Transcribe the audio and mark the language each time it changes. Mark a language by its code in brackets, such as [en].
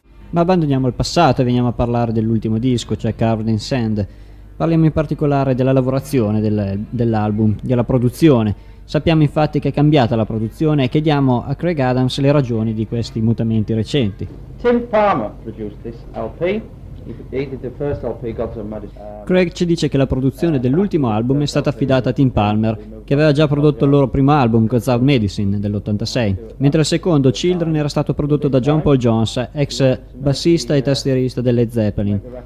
[it] Ma abbandoniamo il passato e veniamo a parlare dell'ultimo disco, cioè Covered in Sand. Parliamo in particolare della lavorazione dell'album, della produzione. Sappiamo infatti che è cambiata la produzione e chiediamo a Craig Adams le ragioni di questi mutamenti recenti. [en] Tim Palmer produced this LP. [it] Craig ci dice che la produzione dell'ultimo album è stata affidata a Tim Palmer, che aveva già prodotto il loro primo album, Without Medicine, dell'86, mentre il secondo, Children, era stato prodotto da John Paul Jones, ex bassista e tastierista delle Zeppelin.